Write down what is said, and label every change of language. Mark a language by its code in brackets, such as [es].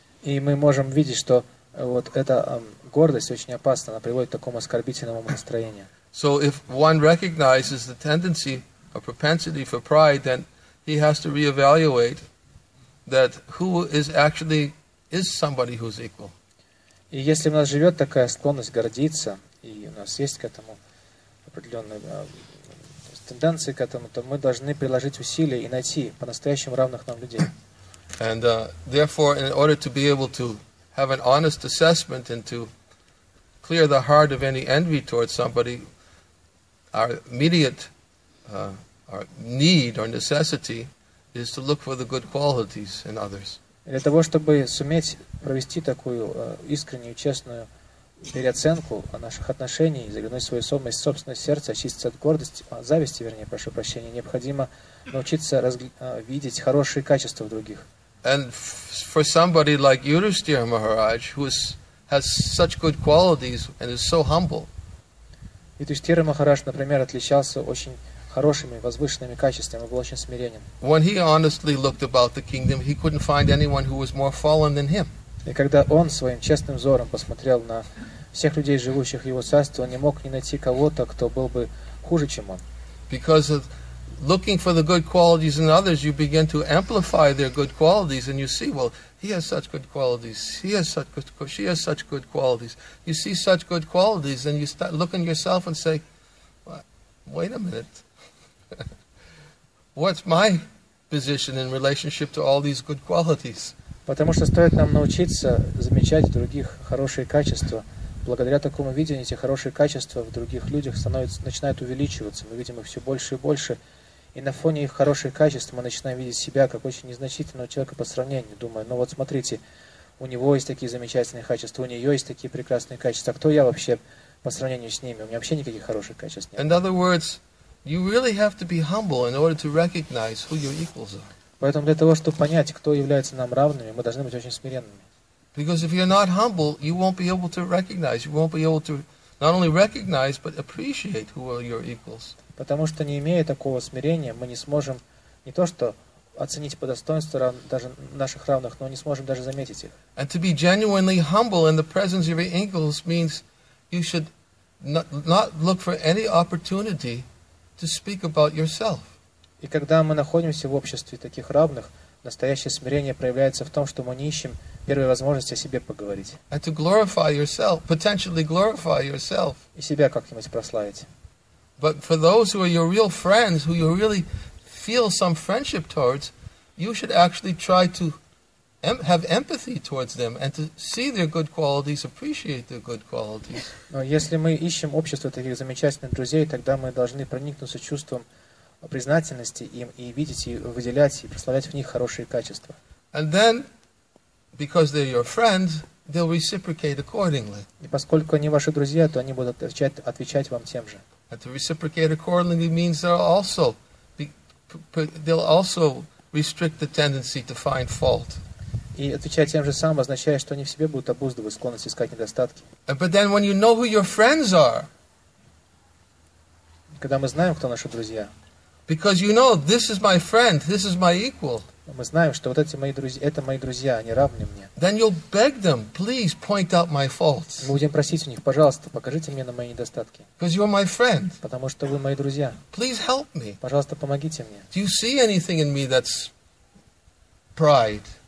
[ru] И мы можем видеть, что вот эта гордость очень опасна, она приводит к такому оскорбительному настроению. [en] So if one recognizes the tendency or propensity for pride, then he has to reevaluate that who is somebody who's equal. [ru] И если у нас живет такая склонность гордиться, и у нас есть к этому определенные тенденции к этому, то мы должны приложить усилия и найти по-настоящему равных нам людей. [en] And therefore, in order to be able to have an honest assessment and to clear the heart of any envy towards somebody, our immediate our need or necessity is to look for the good qualities in others. [ru] Для того, чтобы суметь провести такую искреннюю, честную переоценку наших отношений и заглянуть в свою самость, собственное сердце, очиститься от гордости, от зависти, вернее, прошу прощения, необходимо научиться видеть хорошие качества в других. [en] And for somebody like Yudhisthira Maharaj, who has such good qualities and is so humble. [ru] Yudhisthira Maharaj, например, отличался очень хорошими, возвышенными качествами, был очень смиренен. [en] When he honestly looked about the kingdom, he couldn't find anyone who was more fallen than him. [ru] И когда он своим честным взором посмотрел на всех людей, живущих в его царстве, он не мог не найти кого-то, кто был бы хуже, чем он. [en] Because of looking for the good qualities in others, you begin to amplify their good qualities, and you see, well, he has such good qualities, he has such good, she has such good qualities. You see such good qualities, and you start looking yourself and say, wait a minute. What's my position in relationship to all these good qualities? [ru] Потому что стоит нам научиться замечать в других хорошие качества. Благодаря такому видению эти хорошие качества в других людях начинают увеличиваться. Мы видим их все больше и больше. И на фоне их хороших качеств мы начинаем видеть себя как очень незначительного человека по сравнению. Думая, ну вот смотрите, у него есть такие замечательные качества, у нее есть такие прекрасные качества. Кто я вообще по сравнению с ними? У меня вообще никаких хороших качеств нет. [en] In other words, you really have to be humble in order to recognize who your equals are. [ru] Поэтому для того, чтобы понять, кто является нам равными, мы должны быть очень смиренными. [en] Because if you're not humble, you won't be able to recognize, you won't be able to not only recognize, but appreciate who are your equals. [ru] Потому что не имея такого смирения, мы не сможем не то что оценить по достоинству даже наших равных, но не сможем даже заметить их. [en] And to be genuinely humble in the presence of your equals means you should not look for any opportunity to speak about yourself. [ru] И когда мы находимся в обществе таких равных, настоящее смирение проявляется в том, что мы не ищем первой возможности о себе поговорить. [en] And to glorify yourself, potentially glorify yourself. [ru] И себя как-нибудь прославить. [en] But for those who are your real friends, who you really feel some friendship towards, you should actually try to have empathy towards them and to see their good qualities, appreciate their good qualities. [ru] Но если мы ищем общество таких замечательных друзей, тогда мы должны проникнуться чувством признательности им и видеть, и выделять, и прославлять в них хорошие качества. [en] And then, because they're your friends, they'll reciprocate accordingly. [ru] И поскольку они ваши друзья, то они будут отвечать вам тем же. [en] And to reciprocate accordingly means they'll also restrict the tendency to find fault. [ru] И отвечать тем же самым означает, что они в себе будут обуздывать склонность искать недостатки. [en] But then when you know who your friends are, [ru] когда мы знаем, кто наши друзья, [en] because you know this is my friend, this is my equal. [ru] Мы знаем, что вот эти мои друзья, это мои друзья, они равны мне. [en] Then you'll beg them, please point out my faults. [ru] Мы будем просить у них, пожалуйста, покажите мне на мои недостатки. [en] Because you're my friend. [ru] Потому что вы мои друзья. [en] Please help me. [ru] Пожалуйста, помогите мне. [en] Do you see anything in me that's pride?